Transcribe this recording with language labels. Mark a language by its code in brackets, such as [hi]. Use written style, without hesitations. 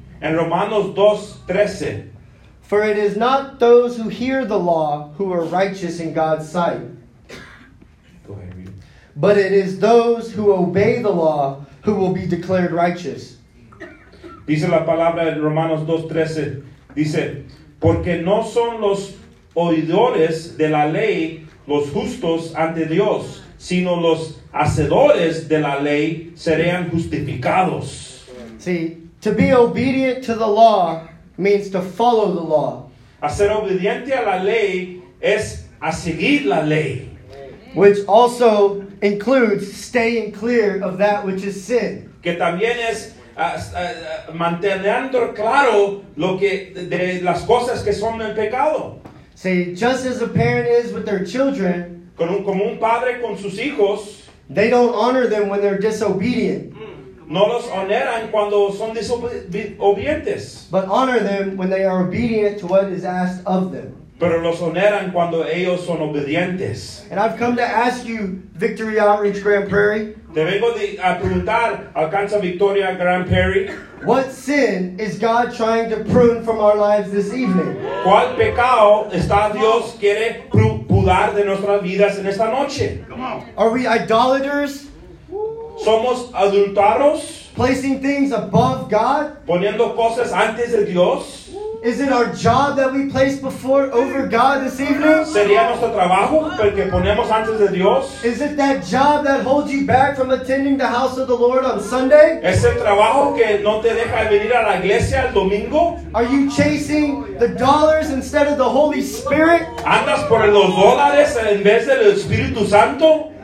[es] En Romanos 2:13. [en] For it is not those who hear the law who are righteous in God's sight. Go ahead, read. But it is those who obey the law who will be declared righteous. [es] Dice la palabra en Romanos 2:13. Dice, porque no son los oidores de la ley los justos ante Dios, sino los hacedores de la ley serán justificados. [en] See, to be obedient to the law means to follow the law. [es] Hacer obediente a la ley es a seguir la ley. [en] Which also includes staying clear of that which is sin. [es] Que también es manteniendo claro lo que de las cosas que son el pecado. [en] See, just as a parent is with their children, [es] como un padre con sus hijos, [en] they don't honor them when they're disobedient. [es] No los honran cuando son desobedientes. [en] But honor them when they are obedient to what is asked of them. [es] Pero los honran cuando ellos son obedientes. [en] And I've come to ask you, Victory Outreach Grand Prairie. [es] Te vengo a preguntar, ¿alcanza Victoria Grand Prairie? [en] What sin is God trying to prune from our lives this evening? [es] ¿Cuál pecado está Dios quiere pudar de nuestras vidas en esta noche? [en] Are we idolaters? [es] ¿Somos adulteros? [en] Placing things above God? [es] ¿Poniendo cosas antes de Dios? [en] Is it our job that we place before over God this evening? [es] ¿Sería nuestro trabajo el que ponemos antes de Dios? [en] Is it that job that holds you back from attending the house of the Lord on Sunday? [es] ¿Es el trabajo que no te deja venir a la iglesia el domingo? [en] Are you chasing the dollars instead of the Holy Spirit? [es] ¿Andas por los dólares en vez del Espíritu Santo?